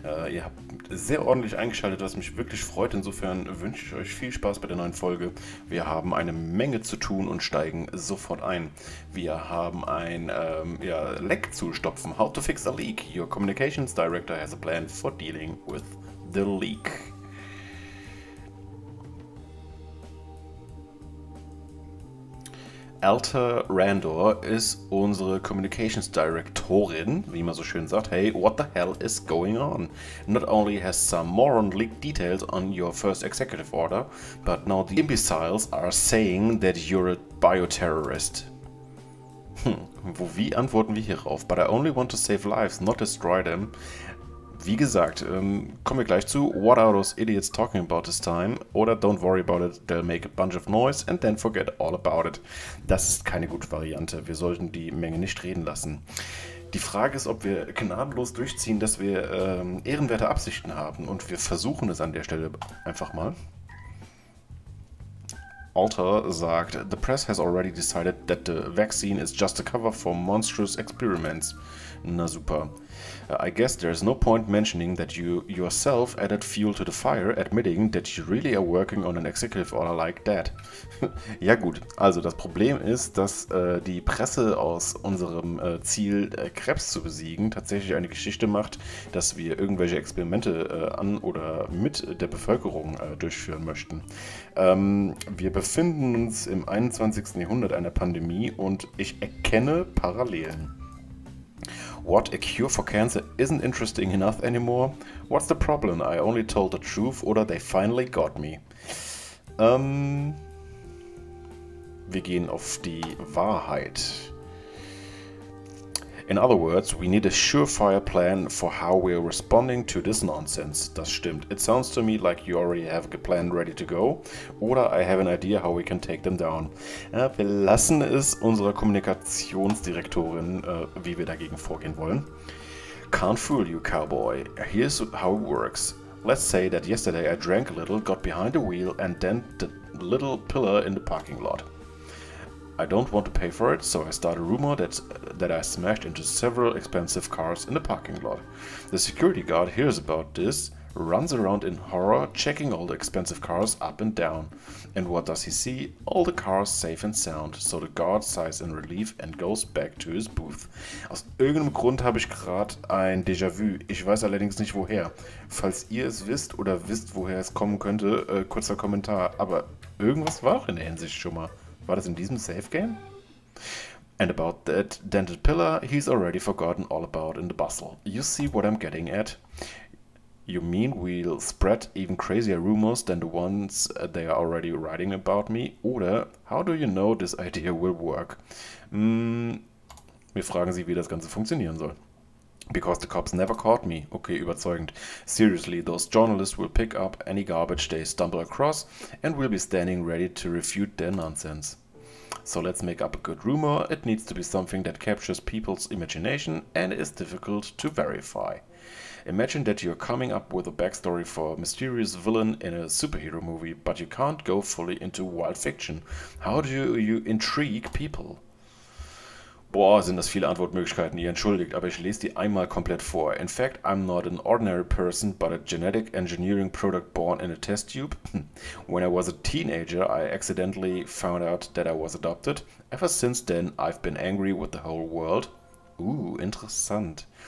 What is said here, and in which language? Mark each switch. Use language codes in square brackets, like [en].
[de] Ihr habt sehr ordentlich eingeschaltet, was mich wirklich freut. Insofern wünsche ich euch viel Spaß bei der neuen Folge. Wir haben eine Menge zu tun und steigen sofort ein. Wir haben ein Leck zu stopfen. [en] How to fix a leak. Your communications director has a plan for dealing with the leak. [de] Alta Randor ist unsere Communications Directorin, wie man so schön sagt. [en] Hey, what the hell is going on? Not only has some moron leaked details on your first executive order, but now the imbeciles are saying that you're a bioterrorist. [de] Wie antworten wir hierauf? [en] But I only want to save lives, not destroy them. [de] Wie gesagt, kommen wir gleich zu [en] What are those idiots talking about this time? Oder don't worry about it, they'll make a bunch of noise and then forget all about it. [de] Das ist keine gute Variante. Wir sollten die Menge nicht reden lassen. Die Frage ist, ob wir gnadenlos durchziehen, dass wir ehrenwerte Absichten haben. Und wir versuchen es an der Stelle einfach mal. [en] Alter sagt, the press has already decided that the vaccine is just a cover for monstrous experiments. [de] Na super. [en] I guess there's no point mentioning that you yourself added fuel to the fire, admitting that you really are working on an executive order like that. [de] Ja gut, also das Problem ist, dass die Presse aus unserem Ziel, Krebs zu besiegen, tatsächlich eine Geschichte macht, dass wir irgendwelche Experimente an oder mit der Bevölkerung durchführen möchten. Wir befinden uns im 21. Jahrhundert einer Pandemie und ich erkenne Parallelen. [en] What, a cure for cancer isn't interesting enough anymore? What's the problem? I only told the truth or they finally got me. [de] Wir gehen auf die Wahrheit. [en] In other words, we need a surefire plan for how we're responding to this nonsense. [de] Das stimmt. [en] It sounds to me like you already have a plan ready to go. Oder I have an idea how we can take them down. [de] Ja, wir lassen es unserer Kommunikationsdirektorin, wie wir dagegen vorgehen wollen. [en] Can't fool you, cowboy. Here's how it works. Let's say that yesterday I drank a little, got behind the wheel and dent the little pillar in the parking lot. I don't want to pay for it, so I start a rumor that I smashed into several expensive cars in the parking lot. The security guard hears about this, runs around in horror, checking all the expensive cars up and down. And what does he see? All the cars safe and sound. So the guard sighs in relief and goes back to his booth. [de] Aus irgendeinem Grund habe ich gerade ein Déjà-vu. Ich weiß allerdings nicht woher. Falls ihr es wisst oder wisst, woher es kommen könnte, kurzer Kommentar. Aber irgendwas war auch in der Hinsicht schon mal. War das in diesem Safe-Game? [en] And about that dented pillar, he's already forgotten all about in the bustle. You see what I'm getting at? You mean we'll spread even crazier rumors than the ones they are already writing about me? Oder how do you know this idea will work? [de] Wir fragen sie, wie das Ganze funktionieren soll. [en] Because the cops never caught me. [de] Okay, überzeugend. [en] Seriously, those journalists will pick up any garbage they stumble across and will be standing ready to refute their nonsense. So let's make up a good rumor. It needs to be something that captures people's imagination and is difficult to verify. Imagine that you're coming up with a backstory for a mysterious villain in a superhero movie, but you can't go fully into wild fiction. How do you intrigue people? [de] Boah, sind das viele Antwortmöglichkeiten, ihr entschuldigt, aber ich lese die einmal komplett vor. [en] In fact, I'm not an ordinary person, but a genetic engineering product born in a test tube. When I was a teenager, I accidentally found out that I was adopted. Ever since then, I've been angry with the whole world. [de] Ooh, interessant.